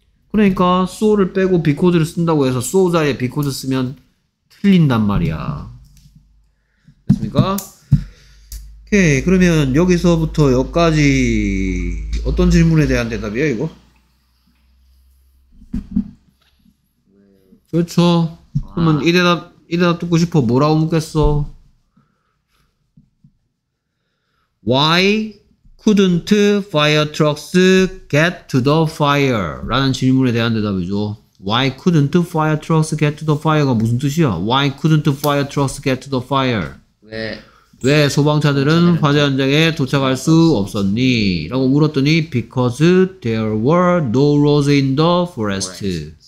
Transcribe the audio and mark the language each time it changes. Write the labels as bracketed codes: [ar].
[ko] 그러니까 so를 빼고 because를 쓴다고 해서 so 자리에 because 쓰면 틀린단 말이야. 됐습니까? 오케이. 그러면 여기서부터 여기까지 어떤 질문에 대한 대답이에요, 이거? 그렇죠. 와. 그러면 이 대답 듣고 싶어. 뭐라고 묻겠어? [en] Why couldn't fire trucks get to the fire? [ko] 라는 질문에 대한 대답이죠. [en] Why couldn't fire trucks get to the fire가 [ko] 무슨 뜻이야? [en] Why couldn't fire trucks get to the fire? [ko] 왜 소방차들은 화재 현장에 도착할 수 없었니? 라고 물었더니 [en] because there were no roads in the forest.